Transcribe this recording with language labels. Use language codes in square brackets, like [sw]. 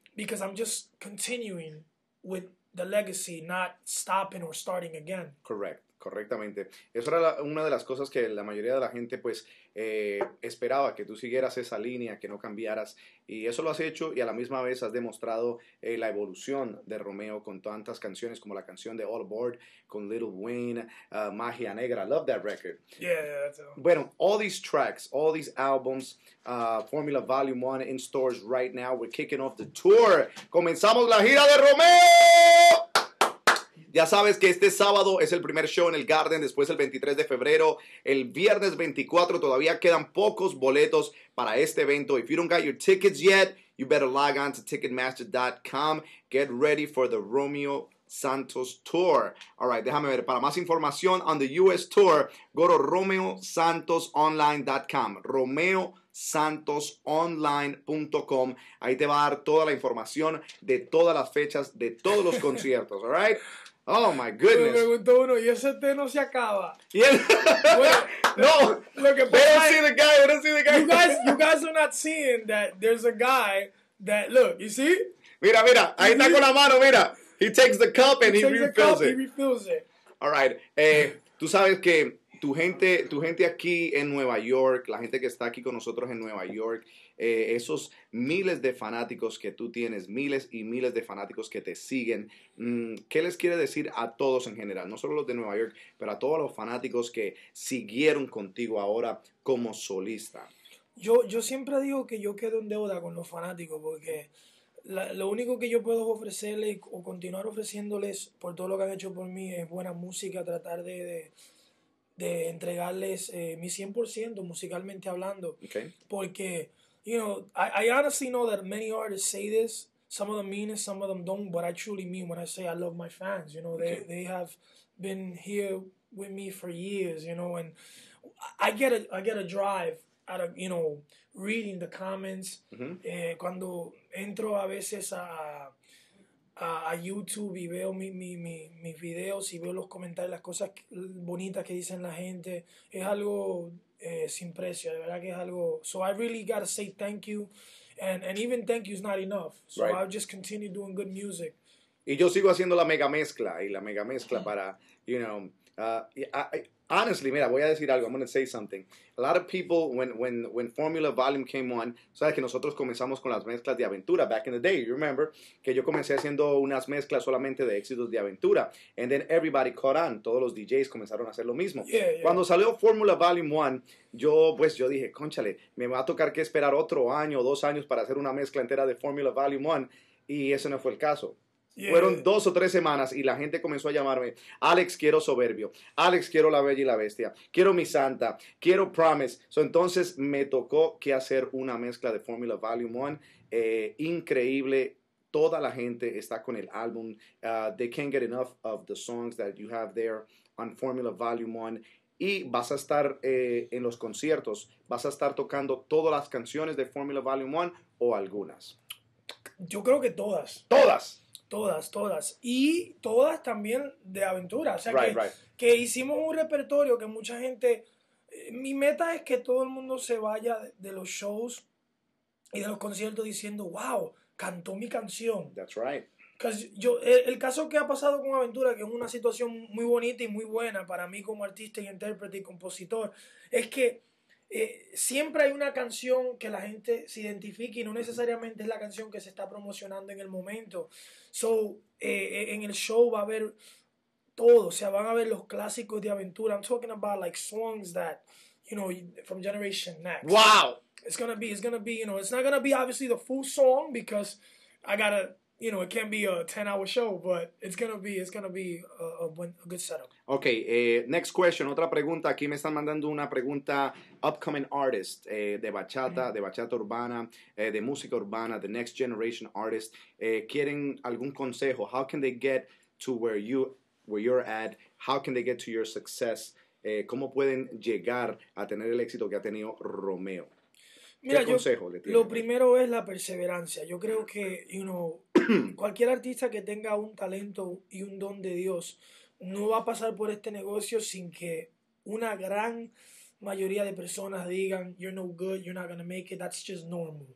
[en] Because I'm just continuing with the legacy, not stopping or starting again. Correct. [es] Correctamente. Eso era una de las cosas que la mayoría de la gente pues esperaba, que tú siguieras esa línea, que no cambiaras. Y eso lo has hecho, y a la misma vez has demostrado la evolución de Romeo con tantas canciones como la canción de All Aboard con Lil Wayne, Magia Negra. [en] I love that record. Yeah, that's all. [es] Bueno, [en] all these tracks, all these albums, Formula Volume 1 in stores right now. We're kicking off the tour. [es] ¡Comenzamos la gira de Romeo! Ya sabes que este sábado es el primer show en el Garden, después el 23 de febrero, el viernes 24, todavía quedan pocos boletos para este evento. [en] If you don't got your tickets yet, you better log on to Ticketmaster.com. Get ready for the Romeo Santos Tour. All right, [es] déjame ver. Para más información [en] on the U.S. Tour, go to RomeoSantosOnline.com. RomeoSantosOnline.com. [es] Ahí te va a dar toda la información de todas las fechas de todos los conciertos. [en] All right? Oh my goodness. [es] Me preguntó uno, ¿y ese té no se acaba? Bueno, no. Lo que pasa, [en] they don't see the guy. They don't see the guy. You guys are not seeing that there's a guy that, look, you see? [es] Mira, [en] you [es] ahí see? Está con la mano, mira. [en] He takes the cup and he refills it. He refills it. All right. [es] Tú sabes que tu gente aquí en Nueva York, la gente que está aquí con nosotros en Nueva York, esos miles de fanáticos que tú tienes, miles y miles de fanáticos que te siguen, ¿qué les quiere decir a todos en general? No solo los de Nueva York, pero a todos los fanáticos que siguieron contigo ahora como solista. Yo siempre digo que yo quedo en deuda con los fanáticos, porque lo único que yo puedo ofrecerles o continuar ofreciéndoles por todo lo que han hecho por mí es buena música, tratar de entregarles mi 100% musicalmente hablando. [en] Okay. [es] Porque, [en] you know, I honestly know that many artists say this, some of them mean it, some of them don't, but I truly mean when I say I love my fans, you know. Okay. they have been here with me for years, you know, and I get a drive out of, you know, reading the comments. Mm-hmm. [es] Cuando entro a veces a YouTube y veo mis videos y veo los comentarios, las cosas bonitas que dicen la gente, es algo sin precio, de verdad que es algo. [en] So I really gotta say thank you, and even thank you is not enough, so right. I'll just continue doing good music. [es] Y yo sigo haciendo la mega mezcla, y la mega mezcla para, [en] you know, honestly, [es] mira, voy a decir algo, [en] I'm gonna say something. A lot of people, when Formula Volume came on, [es] sabes que nosotros comenzamos con las mezclas de Aventura [en] back in the day, you remember? [es] Que yo comencé haciendo unas mezclas solamente de éxitos de Aventura, [en] and then everybody caught on, [es] todos los DJs comenzaron a hacer lo mismo. [en] Yeah, yeah. [es] Cuando salió Formula Volume 1, yo dije, conchale, me va a tocar que esperar otro año o dos años para hacer una mezcla entera de Formula Volume 1, y ese no fue el caso. [en] Yeah. [es] Fueron dos o tres semanas y la gente comenzó a llamarme, Alex, quiero Soberbio, Alex, quiero La Bella y la Bestia, quiero Mi Santa, quiero Promise. [en] So, [es] entonces me tocó que hacer una mezcla de Formula Volume 1, increíble, toda la gente está con el álbum. [en] They can't get enough of the songs that you have there on Formula Volume 1. [es] Y vas a estar en los conciertos, vas a estar tocando todas las canciones de Formula Volume 1 o algunas. Yo creo que todas. ¿Todas? Todas, todas. Y todas también de aventura. O sea, que hicimos un repertorio que mucha gente... mi meta es que todo el mundo se vaya de los shows y de los conciertos diciendo, wow, cantó mi canción. [en] That's right. [es] Yo, el caso que ha pasado con Aventura, que es una situación muy bonita y muy buena para mí como artista y intérprete y compositor, es que siempre hay una canción que la gente se identifique y no necesariamente es la canción que se está promocionando en el momento. [en] So, [es] en el show va a haber todo. O sea, van a haber los clásicos de Aventura. [en] I'm talking about like songs that, you know, from Generation Next. Wow! It's gonna be, you know, it's not gonna be obviously the full song because I gotta... You know, it can't be a 10-hour show, but it's gonna be a good setup. Okay, next question. [es] Otra pregunta. Aquí me están mandando una pregunta. [en] Upcoming artist [es] de bachata, mm-hmm. de bachata urbana, de música urbana, [en] the next generation artist. [es] ¿Quieren algún consejo? [en] How can they get to where you're at? How can they get to your success? [es] ¿Cómo pueden llegar a tener el éxito que ha tenido Romeo? Mira, ¿qué consejo le tienes? Lo primero es la perseverancia. Yo creo que, [en] you know, [es] cualquier artista que tenga un talento y un don de Dios no va a pasar por este negocio sin que una gran mayoría de personas digan, [en] you're no good, you're not gonna make it, that's just normal.